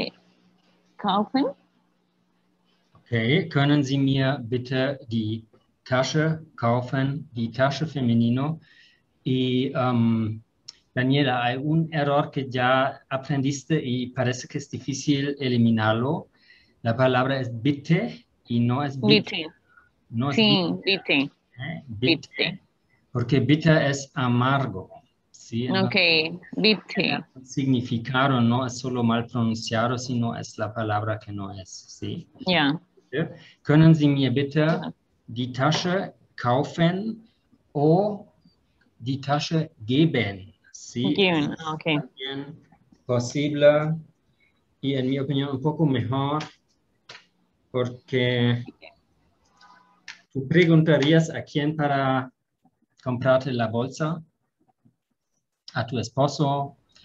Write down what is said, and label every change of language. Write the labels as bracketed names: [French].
[German] Können Sie mir bitte die Tasche kaufen? Okay, können Sie mir bitte die Tasche kaufen, die Tasche Feminino? [Spanish] Y Daniela, hay un error que ya aprendiste y parece que es difícil eliminarlo. La palabra es bitte y no es bitte. No es sí, bitte. Bitte. Porque bitte es amargo. ¿Sí? [German] Ok, bitte. [Spanish] Significado no es solo mal pronunciado, sino es la palabra que no es. Sí. Ya. Yeah. [German] Können Sie mir bitte die Tasche kaufen oder die Tasche geben? [Spanish] Sí, [German] geben, okay. [Spanish] Posible y en mi opinión un poco mejor porque tú preguntarías a quién para comprarte la bolsa, a tu esposo,